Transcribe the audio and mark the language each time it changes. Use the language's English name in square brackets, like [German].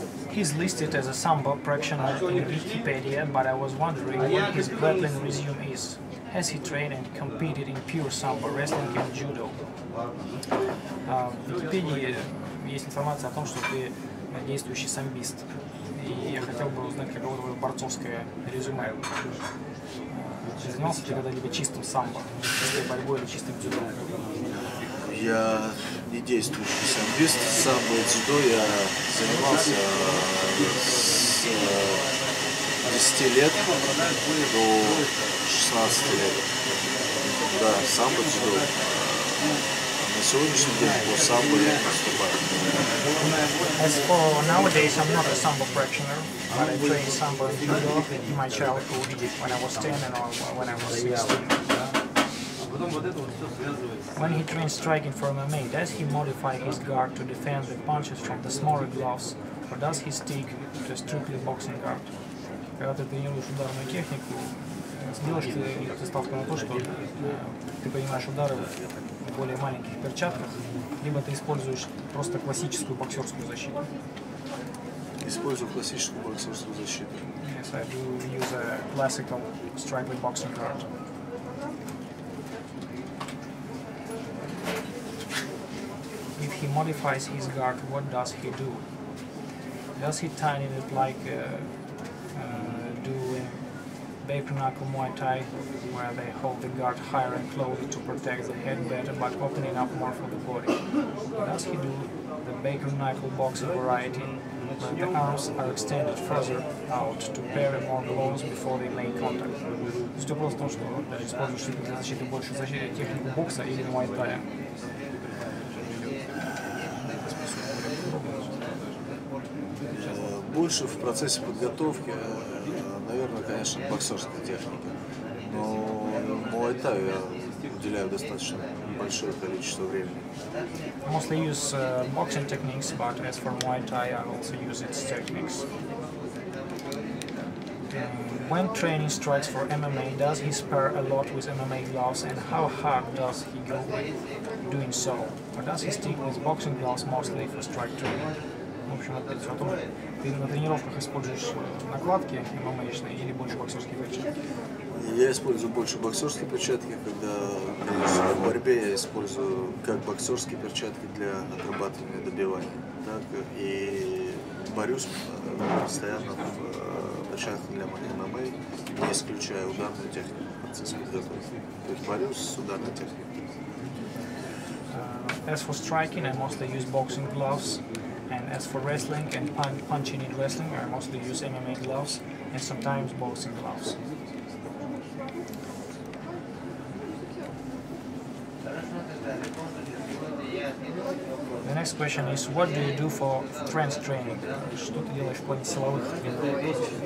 [English] He's listed as a sambo practitioner in Wikipedia, but I was wondering what his grappling resume is. Has he trained and competed in pure sambo wrestling and judo? [Russian] В Википедии есть информация о том, что ты действующий самбист. И я хотел бы узнать, каково твое борцовское резюме. Занимался ты когда-либо чистым самбо, чистой борьбой или чистым дзюдо? Я не действующий самбист. Самбо и дзюдо я занимался с 10 лет до 16 лет. Да, самбо и дзюдо. На сегодняшний день по самбо я не выступаю. [English] As for nowadays, I'm not a samba practitioner. I trained samba and judo in my childhood when I was 10 and when I was 16. When he trains striking for MMA, does he modify his guard to defend the punches from the smaller gloves, or does he stick to strictly boxing guard? [Russian] Когда ты тренируешь ударную технику, сделаешь ты ставку на то, что ты принимаешь удары в более маленьких перчатках, либо ты используешь просто классическую боксерскую защиту? Использую классическую боксерскую защиту. [English] Yes, I do use a classical striking boxing guard. If he modifies his guard, what does he do? Does he tighten it like doing Bapernaku Muay Thai, where they hold the guard higher and closer to protect the head better, but opening up more for the body? Does he do the Bapernaku boxing variety, where the arms are extended further out to parry more blows before they make contact? [Russian] Все просто в том, что используешь силу для защиты больше защиты технику бокса или Muay Thai. Больше в процессе подготовки, наверное, конечно, боксерская техника. Но Muay Thai я уделяю достаточно большое количество времени. [English] I mostly use boxing techniques, but as for Muay Thai, I also use its techniques. When training strikes for MMA, does he spar a lot with MMA gloves, and how hard does he go doing so? Or does he stick with boxing gloves mostly for strike training? [Russian] В общем, ответить о том, ты на тренировках используешь накладки мамочные или больше боксерские перчатки? Я использую больше боксерские перчатки, когда в борьбе я использую как боксерские перчатки для отрабатывания добивания, так и борюсь постоянно в перчатках для ММА, не исключая ударную технику в процессе подготовки. То есть борюсь с ударной техникой. [English] As for striking, I mostly use boxing gloves. And as for wrestling and punching in wrestling, I mostly use MMA gloves and sometimes boxing gloves. The next question is, what do you do for strength training? [Russian] Что ты делаешь в плане силовых тренировок?